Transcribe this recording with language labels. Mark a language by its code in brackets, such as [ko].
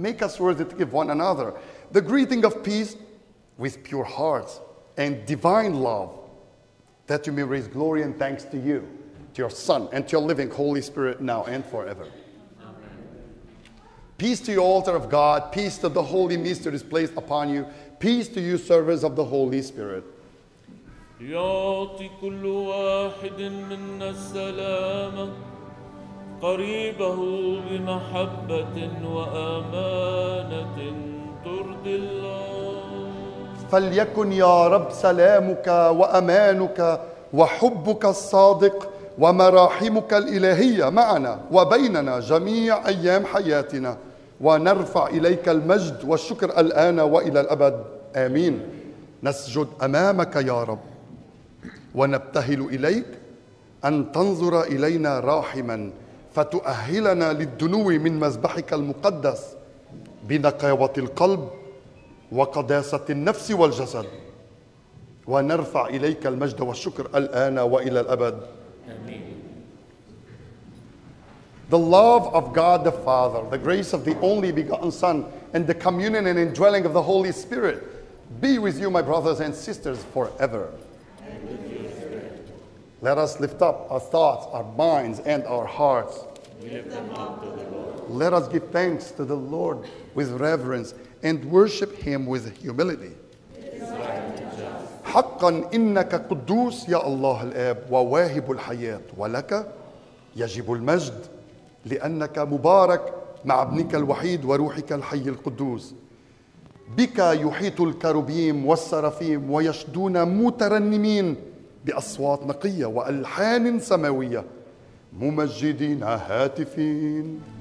[en] Make us worthy to give one another the greeting of peace with pure hearts and divine love, that you may raise glory and thanks to you, to your Son, and to your living Holy Spirit, now and forever. Peace to your altar of God. Peace to the holy mysteries placed upon you. Peace to you, servants of the Holy Spirit. [ar] يعطي كل واحد منا السلام قريبه بمحبة وأمانة ترضي الله. فليكن يا رب سلامك وأمانك وحبك الصادق ومراحمك الإلهية معنا وبيننا جميع أيام حياتنا، ونرفع إليك المجد والشكر الآن وإلى الأبد. آمين. نسجد أمامك يا رب ونبتهل إليك أن تنظر إلينا راحما فتؤهلنا للدنو من مذبحك المقدس بنقاوة القلب وقداسة النفس والجسد، ونرفع إليك المجد والشكر الآن وإلى الأبد. [en] The love of God the Father, the grace of the only begotten Son, and the communion and indwelling of the Holy Spirit be with you, my brothers and sisters, forever. And with your spirit. Let us lift up our thoughts, our minds, and our hearts. Lift them up to the Lord. Let us give thanks to the Lord with reverence and worship Him with humility. [ar] حقا إنك قدوس يا الله الآب وواهب الحياة، ولك يجب المجد لأنك مبارك مع ابنك الوحيد وروحك الحي القدوس. بك يحيط الكروبيم والسرافيم ويشدون مترنمين بأصوات نقية وألحان سماوية، ممجدين هاتفين.